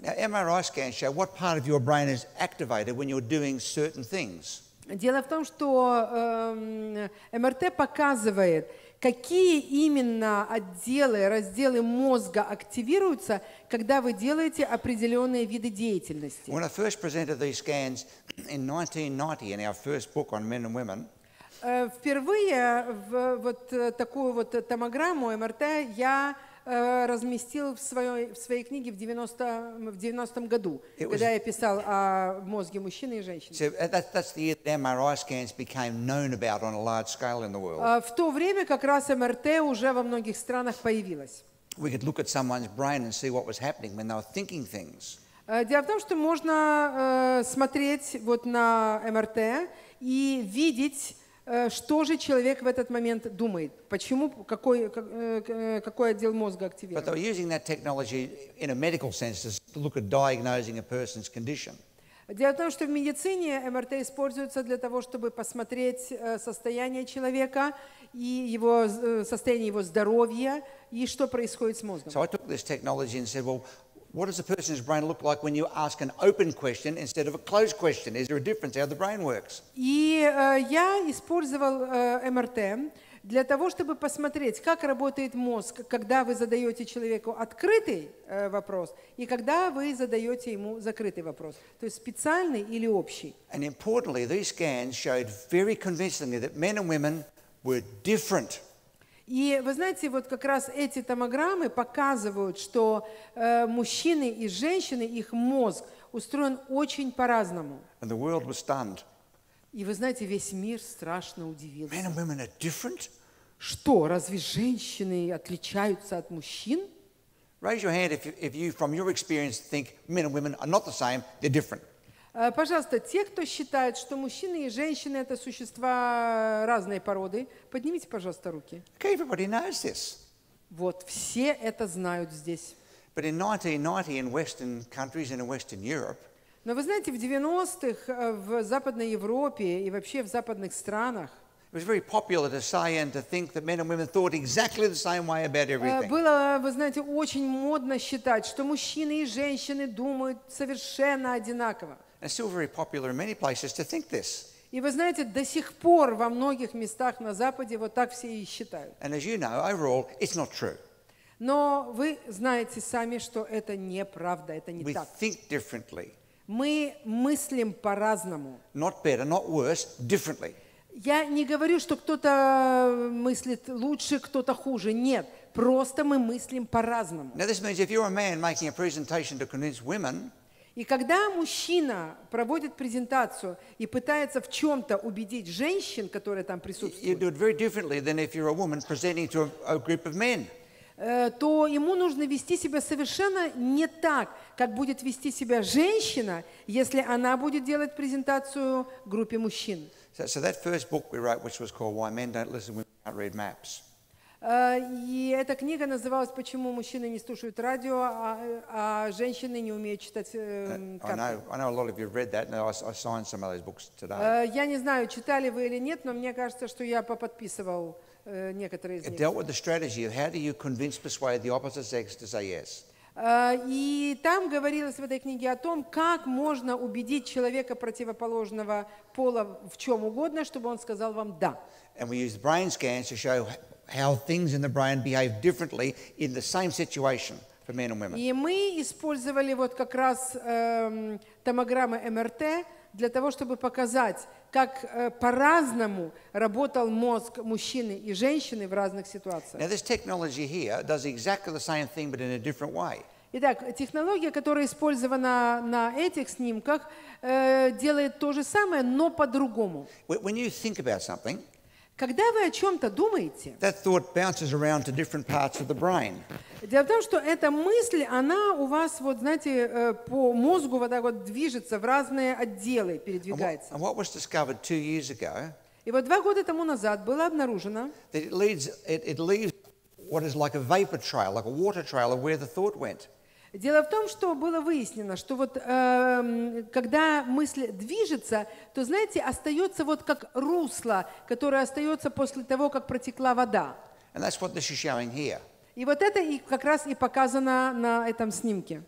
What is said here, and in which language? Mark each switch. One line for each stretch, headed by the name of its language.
English: Now, MRI scans show what part of your brain is activated when you're doing certain things.
Russian: Дело в том, что МРТ показывает, какие именно отделы, разделы мозга активируются, когда вы делаете определенные виды деятельности?
English: When I first presented these scans in 1990 in our first book on men and women,
Russian: впервые в вот такую вот томограмму МРТ я разместил в своей книге в 90-м году, когда я писал о мозге мужчины и женщины.
English: So that's the year that MRI scans became known about on a large scale in the world.
Russian: В то время как раз МРТ уже во многих странах появилась.
English: We could look at someone's brain and see what was happening when they were thinking things.
Russian: Дело в том, что можно смотреть вот на МРТ и видеть, что же человек в этот момент думает? Почему? Какой отдел мозга активирован?
English: But they were using that technology in a medical sense to look at diagnosing a person's condition.
Russian: Дело в том, что в медицине МРТ используется для того, чтобы посмотреть состояние человека и его состояние его здоровья и что происходит с мозгом.
English: So I took this technology and said, well, what does a person's brain look like when you ask an open question instead of a closed question? Is there a difference how the brain works?
Russian: И я использовал МРТ для того, чтобы посмотреть, как работает мозг, когда вы задаете человеку открытый вопрос и когда вы задаете ему закрытый вопрос, то есть специальный или общий.
English: And importantly, these scans showed very convincingly that men and women were different.
Russian: И вы знаете, вот как раз эти томограммы показывают, что мужчины и женщины, их мозг устроен очень по-разному.
English: And the world was stunned.
Russian: И вы знаете, весь мир страшно удивился.
English: Men and women are different?
Russian: Что, разве женщины отличаются от мужчин?
English: Raise your hand if you from your experience think men and women are not the same, they're different.
Russian: Пожалуйста, те, кто считает, что мужчины и женщины это существа разной породы, поднимите, пожалуйста, руки.
English: Okay, everybody knows this.
Russian: Вот, все это знают здесь.
English: But in 1990 in Western countries and in Western Europe,
Russian: но вы знаете, в 90-х в Западной Европе и вообще в западных странах было, вы знаете, очень модно считать, что мужчины и женщины думают совершенно одинаково.
English: And still very popular in many places to think this.
Russian: И вы знаете, до сих пор во многих местах на Западе вот так все и считают.
English: And as you know, overall, it's not true.
Russian: Но вы знаете сами, что это неправда, это не
English: we
Russian: так.
English: We think differently.
Russian: Мы мыслим по-разному.
English: Not better, not worse, differently.
Russian: Я не говорю, что кто-то мыслит лучше, кто-то хуже. Нет, просто мы мыслим по-разному.
English: Now this means if you're a man making a presentation to convince women,
Russian: и когда мужчина проводит презентацию и пытается в чем-то убедить женщин, которые там присутствуют,
English: you do it very differently than if you're a woman presenting to a group of men.
Russian: То ему нужно вести себя совершенно не так, как будет вести себя женщина, если она будет делать презентацию группе мужчин.
English: So that first book we wrote, which was called Why Men Don't Listen, Women Can't Read Maps.
Russian: И эта книга называлась «Почему мужчины не слушают радио, а женщины не умеют читать карты». Я не знаю, читали вы или нет, но мне кажется, что я поподписывал некоторые из них.
English: It dealt with the strategy of how do you convince, persuade the opposite sex to say yes.
Russian: И там говорилось в этой книге о том, как можно убедить человека противоположного пола в чем угодно, чтобы он сказал вам «да».
English: And we used brain scans to show how things in the brain behave differently in the same situation for men and women.
Russian: И мы использовали вот как раз томограммы МРТ для того, чтобы показать, как по-разному работал мозг мужчины и женщины в разных ситуациях.
English: Now this technology here does exactly the same thing, but in a different way.
Russian: Итак, технология, которая использована на этих снимках, делает то же самое, но по-другому.
English: When you think about something,
Russian: когда вы о чем-то думаете,
English: that thought bounces around to different parts of the brain.
Russian: Дело в том, что эта мысль, она у вас, вот, знаете, по мозгу вот так вот движется в разные отделы, передвигается.
English: And what was discovered 2 years ago,
Russian: и вот 2 года тому назад было обнаружено,
English: that it leaves what is like a vapor trail, like a water trail of where the thought went.
Russian: Дело в том, что было выяснено, что вот когда мысль движется, то, знаете, остается вот как русло, которое остается после того, как протекла вода.
English: And that's what this is showing here.
Russian: И вот это и как раз и показано на этом снимке.